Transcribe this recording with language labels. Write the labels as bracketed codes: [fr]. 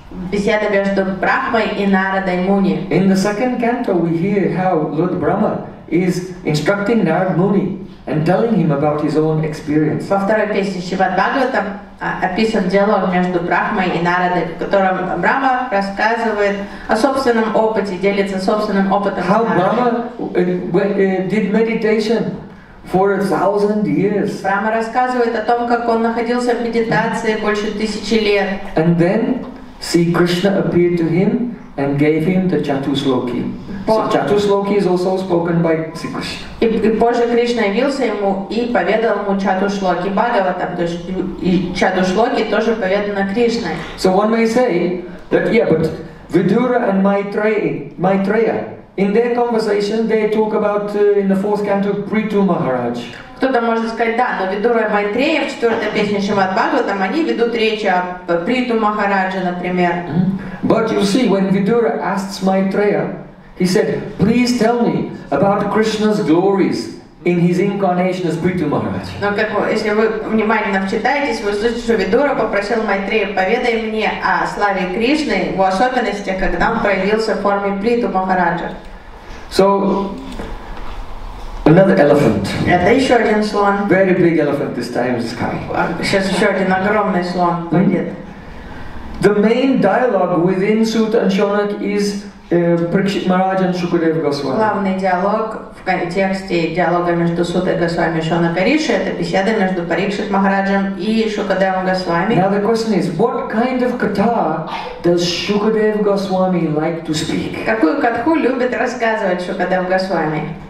[ru] Беседа между Брахмой и Нарадой Муни. [en] In the second canto, we hear how Lord Brahma is instructing Narada Muni and telling him about his own experience. [ru] Во второй песне Шримад Бхагаватам описан диалог между Брахмой и Нарадой, в котором Брахма рассказывает о собственном опыте, делится собственным опытом. [en] How Brahma did meditation for 1,000 years. [ru] Брахма рассказывает о том, как он находился в медитации больше 1,000 лет. [en] And then see, Krishna appeared to him and gave him the Chatusloki. So Chatusloki is also spoken by Sri Krishna. [ru] И позже Кришна явился ему и поведал ему Чатушлоки Бхагаватам. То есть и Чатушлоки тоже поведано Кришной. [en] So one may say that yeah, but Vidura and Maitreya, in their conversation they talk about in the fourth canto Prithu Maharaj. [ru] Кто-то может сказать, да, но Видура и Майтрея в четвертой песне Шримад Бхагаватам, они ведут речь о Приту Махарадже, например. [en] But you see, when Vidura asks Maitreya, he said, please tell me about Krishna's glories in his incarnation as Priti Maharaj. [ru] Но как, если вы внимательно вчитаетесь, вы услышите, что Видура попросил Майтрея, поведай мне о славе Кришны, в особенности, когда он проявился в форме Приту Махараджа. [en] So, another elephant. [ru] Это еще один слон. [en] Very big elephant this time is coming. [ru] Сейчас еще один огромный слон. [en] The main dialogue within Sut and Shonak is Parikshit Maharaj and Shukadev Goswami. [ru] Главный диалог в контексте диалога между Сутой Госвами и Шонакой Риши это беседа между Парикшит Махараджем и Шукадевом Госвами. [en] Now the question is, what kind of katha does Shukadev Goswami like to speak? [ru] Какую катху любит рассказывать Шукадев Госвами?